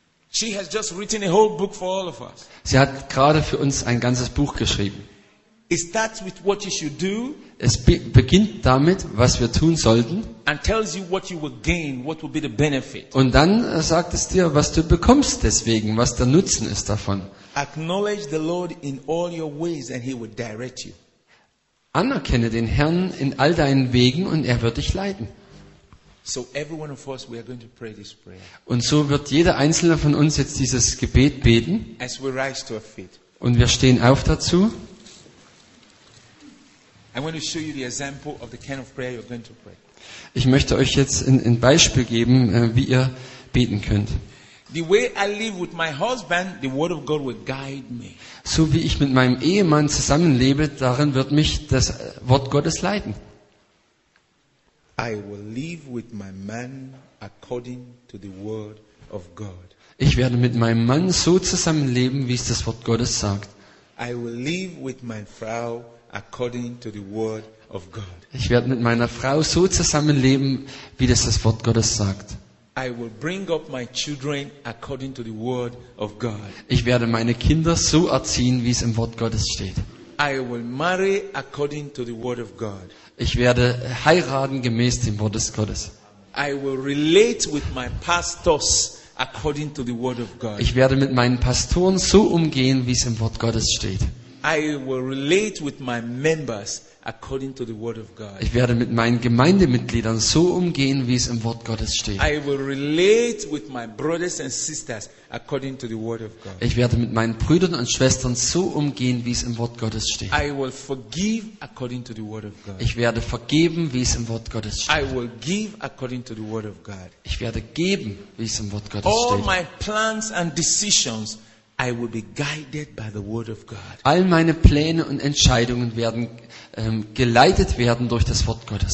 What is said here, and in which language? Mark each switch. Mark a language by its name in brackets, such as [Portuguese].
[English] She has just written a whole book for all of us. [German] Sie hat gerade für uns ein ganzes Buch geschrieben. [English] It starts with what you should do. [German] Es beginnt damit, was wir tun sollten. [English] And tells you what you will gain, what will be the benefit. [German] Und dann sagt es dir, was du bekommst deswegen, was der Nutzen ist davon. [English] Acknowledge the Lord in all your ways and he will direct you. [German] Anerkenne den Herrn in all deinen Wegen und er wird dich leiten. [English] So every one of us, we are going to pray this prayer. [German] Und so wird jeder einzelne von uns jetzt dieses Gebet beten. [English] As we rise to our feet. [German] Und wir stehen auf dazu. [English] I want to show you the example of the kind of prayer you're going to pray. [German] Ich möchte euch jetzt ein Beispiel geben, wie ihr beten könnt. [English] The way I live with my husband, the word of God will guide me. [German] So wie ich mit meinem Ehemann zusammenlebe, darin wird mich das Wort Gottes leiten. [English] I will live with my man according to the word of God. [German] Ich werde mit meinem Mann so zusammenleben, wie es das Wort Gottes sagt. [English] I will live with my Frau according to the word of God. [German] Ich werde mit meiner Frau so zusammenleben, wie das Wort Gottes sagt. [English] I will bring up my children according to the word of God. [German] Ich werde meine Kinder so erziehen, wie es im Wort Gottes steht. [English] I will marry according to the word of God. [German] Ich werde heiraten gemäß dem Wort des Gottes. [English] I will relate with my pastors according to the word of God. [German] Ich werde mit meinen Pastoren so umgehen, wie es im Wort Gottes steht. [English] I will relate with my members according to the word of God. [German] Ich werde mit meinen Gemeindemitgliedern so umgehen, wie es im Wort Gottes steht. [English] I will relate with my brothers and sisters according to the word of God. [German] Ich werde mit meinen Brüdern und Schwestern so umgehen, wie es im Wort Gottes steht. [English] I will forgive according to the word of God. [German] Ich werde vergeben, wie es im Wort Gottes steht. [English] I will give according to the word of God. [German] Ich werde geben, wie es im Wort Gottes [English] All [German] steht. [English] All my plans and decisions, I will be guided by the word of God. [German] All meine Pläne und Entscheidungen werden geleitet werden durch das Wort Gottes.